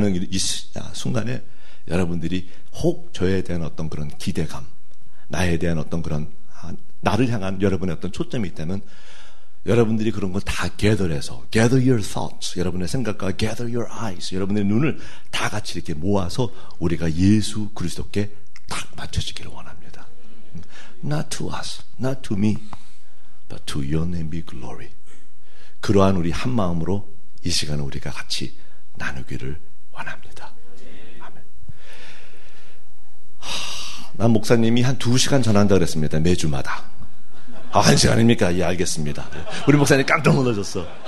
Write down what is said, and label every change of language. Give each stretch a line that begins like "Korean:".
Korean: 이 순간에 여러분들이 혹 저에 대한 어떤 그런 기대감, 나에 대한 어떤 그런, 나를 향한 여러분의 어떤 초점이 있다면, 여러분들이 그런 걸 다 gather해서, gather your thoughts, 여러분의 생각과 gather your eyes, 여러분의 눈을 다 같이 이렇게 모아서 우리가 예수 그리스도께 딱 맞춰지기를 원합니다.
English: Not to us, not to me, but to your name be glory.
Korean: 그러한 우리 한 마음으로 이 시간 우리가 같이 나누기를 원합니다. 아멘. 난 목사님이 한 2시간 전한다 그랬습니다. 매주마다. 아, 한 시간입니까? 예, 알겠습니다. 우리 목사님 깜짝 놀라셨어.